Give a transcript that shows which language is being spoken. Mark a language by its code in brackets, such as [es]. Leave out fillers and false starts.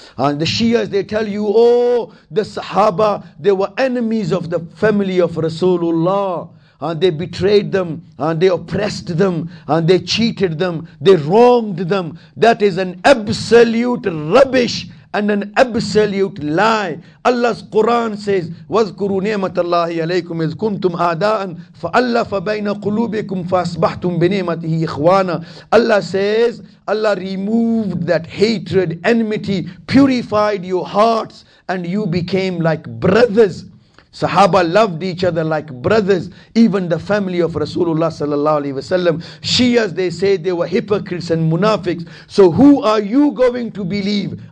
[en] The Shias, they tell you, oh, the Sahaba, they were enemies of the family of Rasulullah. They betrayed them, they oppressed them, they cheated them, they wronged them. That is an absolute rubbish and an absolute lie. Allah's Quran says, [ar] وَذْكُرُوا نِعْمَةَ اللَّهِ عَلَيْكُمْ إِذْ كُنْتُمْ أَعْدَاءً فَأَلَّفَ بَيْنَ قُلُوبِكُمْ فَأَصْبَحْتُمْ بِنِعْمَتِهِ إِخْوَانًا. [en] Allah says, Allah removed that hatred, enmity, purified your hearts, and you became like brothers. Sahaba loved each other like brothers, even the family of Rasulullah sallallahu alaihi wasallam. Shias, they say they were hypocrites and munafiqs. So who are you going to believe?